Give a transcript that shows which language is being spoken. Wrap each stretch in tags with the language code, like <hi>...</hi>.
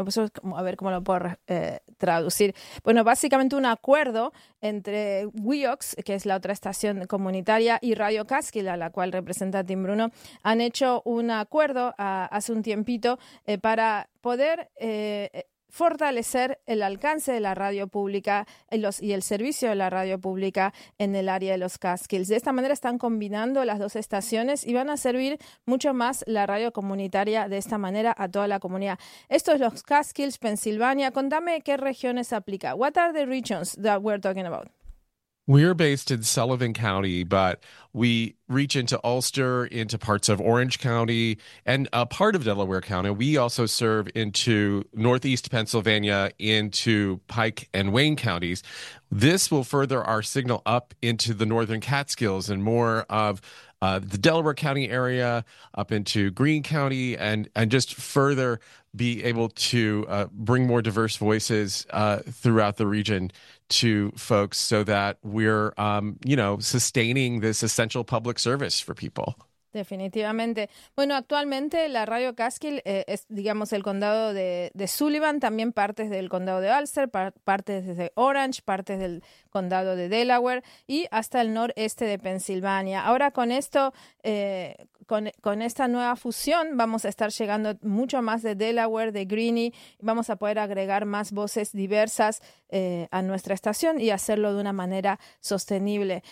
<es>Eso es como, a ver cómo lo puedo traducir. Bueno, básicamente un acuerdo entre WIOX, que es la otra estación comunitaria, y Radio Cáscila, la cual representa Tim Bruno, han hecho un acuerdo hace un tiempito para poder fortalecer el alcance de la radio pública y el servicio de la radio pública en el área de los Catskills. De esta manera están combinando las dos estaciones y van a servir mucho más la radio comunitaria de esta manera a toda la comunidad. Esto es los Catskills, Pensilvania. Contame qué regiones aplica.</es> <en>What are the regions that we're talking about? We are based in Sullivan County, but we reach into Ulster, into parts of Orange County, and a part of Delaware County. We also serve into Northeast Pennsylvania, into Pike and Wayne counties. This will further our signal up into the Northern Catskills and more of the Delaware County area, up into Greene County, and just further be able to bring more diverse voices throughout the region to folks so that we're, sustaining this essential public service for people.</en> <es>Definitivamente. Bueno, actualmente la radio Cáscill es, digamos, el condado de Sullivan, también partes del condado de Ulster, partes de Orange, partes del condado de Delaware y hasta el noreste de Pensilvania. Ahora con esto, con esta nueva fusión, vamos a estar llegando mucho más de Delaware, de Greene, y vamos a poder agregar más voces diversas a nuestra estación y hacerlo de una manera sostenible.</es>